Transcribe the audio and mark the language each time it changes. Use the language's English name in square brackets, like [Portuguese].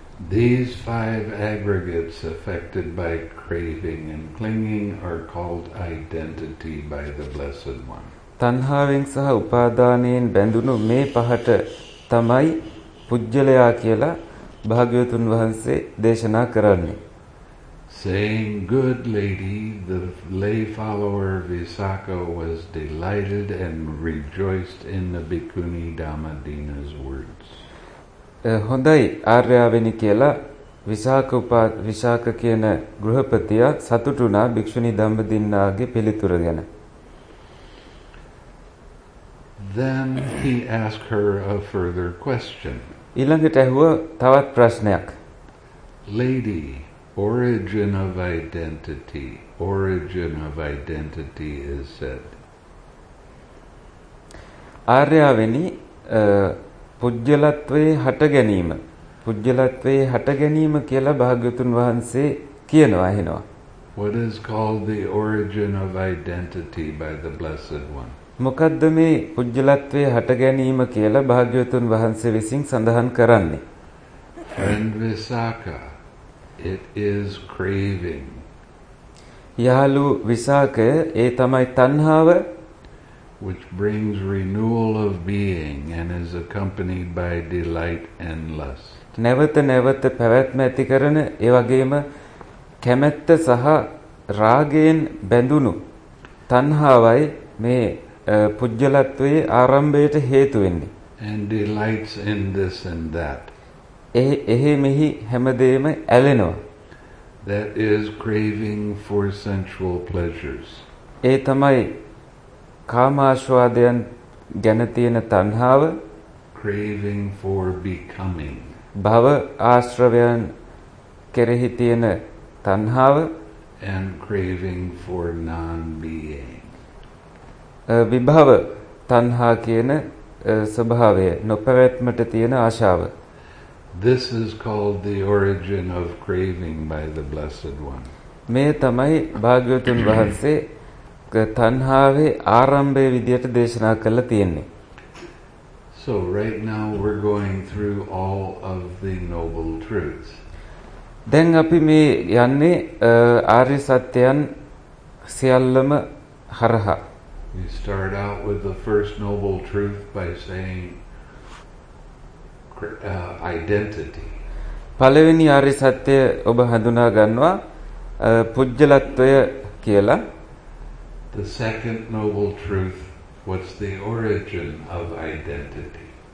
[English] These five aggregates affected by craving and clinging are called identity by the Blessed One. [Sinhala] තණ්හාවෙන් සහ උපාදානයෙන් බැඳුණු මේ පහට තමයි පුජ්‍යලයා කියලා භාග්‍යවතුන් වහන්සේ දේශනා කරන්නේ. [English] Saying, good lady, the lay follower Visakha was delighted and rejoiced in the Bhikkhuni Dhammadina's words. [Sinhala] හොඳයි ආර්යාවෙනි කියලා විසාක විසාක කියන ගෘහපතිය සතුටු වුණා භික්ෂුණී ධම්මදින්නාගේ පිළිතුර ගැන. [English] Then he asked her a further question. [Sinhala] ඊළඟට ඇහුව තවත් ප්‍රශ්නයක්. [English] Lady, origin of identity. Origin of identity is said. [Sinhala] ආර්යාවෙනි පුජ්‍යලත්වයේ හට ගැනීම. පුජ්‍යලත්වයේ හට ගැනීම කියලා භාග්‍යවතුන් වහන්සේ කියනවා එහෙනවා. [English] What is called the origin of identity by the Blessed One? [Sinhala] මොකද්ද මේ පුජ්‍යලත්වයේ හට ගැනීම කියලා භාග්‍යවතුන් වහන්සේ විසින් සඳහන් කරන්නේ? [English] And Visakha, it is craving. [Sinhala] යාලු විසාකය ඒ තමයි තණ්හාව. [English] Which brings renewal of being and is accompanied by delight and lust. [Sinhala] නැවත නැවත පැවැත්ම ඇති කරන ඒ වගේම කැමැත්ත සහ රාගයෙන් බැඳුණු තණ්හාවයි මේ පුජ්‍යලත්වයේ ආරම්භයට හේතු වෙන්නේ. [English] And delights in this and that. [Sinhala] එහෙ මෙහි හැමදේම ඇලෙනවා. [English] That is craving for sensual pleasures. [Sinhala] ඒ තමයි කාමාශ්වාදයන් ගැන තියෙන තණ්හාව. [English] Craving for becoming. [Sinhala] භව ආශ්‍රවයන් කෙරෙහි තියෙන තණ්හාව. [English] And craving for non-being. [Sinhala] විභව තණ්හා කියන ස්වභාවය නොපැවැත්මට තියෙන ආශාව. [English] This is called the origin of craving by the Blessed One. [Sinhala] මේ තමයි භාග්‍යවතුන් වහන්සේ තණ්හාවේ ආරම්භය විදියට දේශනා කරලා තියෙන්නේ. [English] So right now we're going through all of the noble truths. [Sinhala] දැන් අපි මේ යන්නේ ආර්ය සත්‍යයන් සියල්ලම හරහා. [English] We start out with the first noble truth by saying identity. [Sinhala] පළවෙනි ආර්ය සත්‍ය ඔබ හඳුනා ගන්නවා පුජ්‍යලත්වය කියලා. [English] The second noble truth, what's the origin of identity?